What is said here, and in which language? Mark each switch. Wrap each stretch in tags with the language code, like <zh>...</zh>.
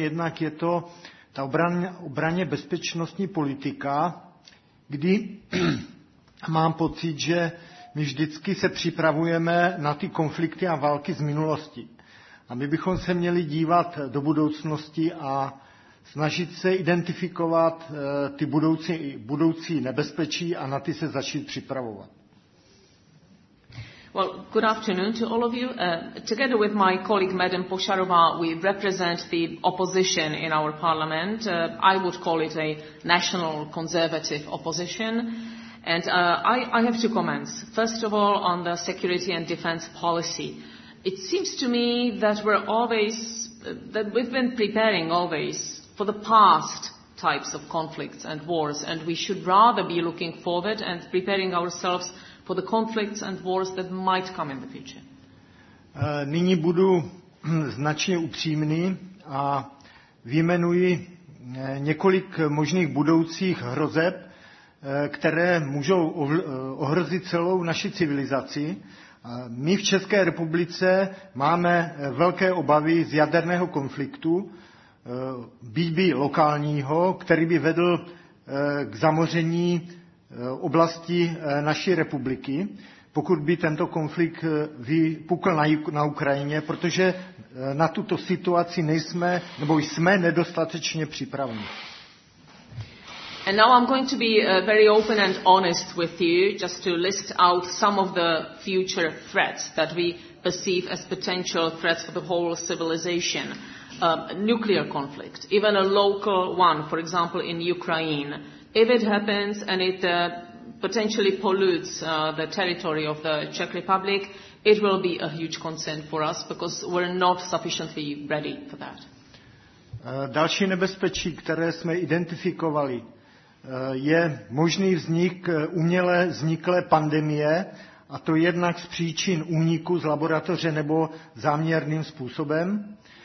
<cs>Jednak je to ta obraně bezpečnostní politika, kdy mám pocit, že my vždycky se připravujeme na ty konflikty a války z minulosti. A my bychom se měli dívat do budoucnosti a snažit se identifikovat ty budoucí nebezpečí a na ty se začít připravovat.</cs> <en>Well, good afternoon to all of you. Together with my colleague, Madam Pošarová, we represent the opposition in our parliament. I would call it a national conservative opposition. And I have two comments. First of all, on the security and defense policy. It seems to me that we're always, that we've been preparing always for the past types of conflicts and wars, and we should rather be looking forward and preparing ourselves for the conflicts and wars that might come in the future.</en> <cs>Nyní budu značně upřímný a vyjmenuji několik možných budoucích hrozeb, které můžou ohrozit celou naši civilizaci. My v České republice máme velké obavy z jaderného konfliktu, byť by lokálního, který by vedl k zamoření oblasti naší republiky, pokud by tento konflikt vypukl na Ukrajině, protože na tuto situaci nejsme, nebo jsme nedostatečně připraveni.</cs> <en>And now I'm going to be very open and honest with you, just to list out some of the future threats that we perceive as potential threats for the whole civilization. Nuclear conflict, even a local one, for example, in Ukraine. If it happens and it potentially pollutes the territory of the Czech Republic, it will be a huge concern for us because we're not sufficiently ready for that.</en> <cs>Další nebezpečí, které jsme identifikovali, je možný vznik uměle vzniklé pandemie, a to jednak z příčin úniku z laboratoře nebo záměrným způsobem.</cs>